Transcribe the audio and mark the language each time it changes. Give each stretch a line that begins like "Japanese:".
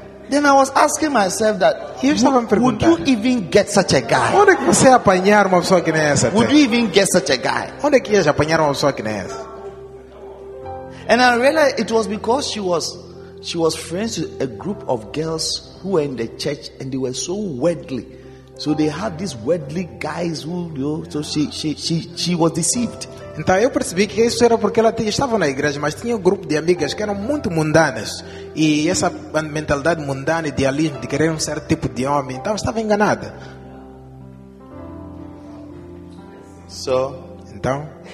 English: Then I was asking myself that, would you even get such a guy?
Portuguese: Onde é que você ia apanhar uma pessoa que nem essa?
English: Would you even get such a guy?
Portuguese: Onde é que ia apanhar uma pessoa que nem essa?
English: And I realized it was because she was friends with a group of girls who were in the church, and they were so worldly. So they had these worldly guys who, you know, so she was deceived.
Portuguese: Então eu percebi que isso era porque ela estava na igreja, mas tinha um grupo de amigas que eram muito mundanas. E essa mentalidade mundana e idealismo de querer um certo tipo de homem, então estava enganada. Então,